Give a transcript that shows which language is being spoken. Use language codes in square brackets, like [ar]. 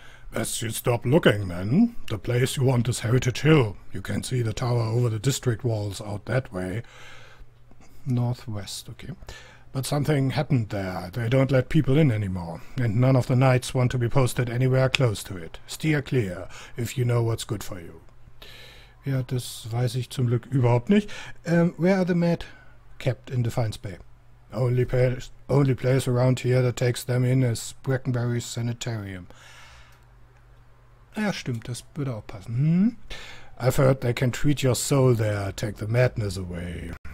[en] Best you stop looking, then. The place you want is Heritage Hill. You can see the tower over the district walls out that way. Northwest, okay. But something happened there. They don't let people in anymore. And none of the knights want to be posted anywhere close to it. Steer clear, if you know what's good for you. [de] Ja, das weiß ich zum Glück überhaupt nicht. [en] Where are the mad kept in Defiance Bay? Only place around here that takes them in is Breckenberry Sanitarium. [de] Ja, stimmt, das würde auch passen. [en] I've heard they can treat your soul there, take the madness away.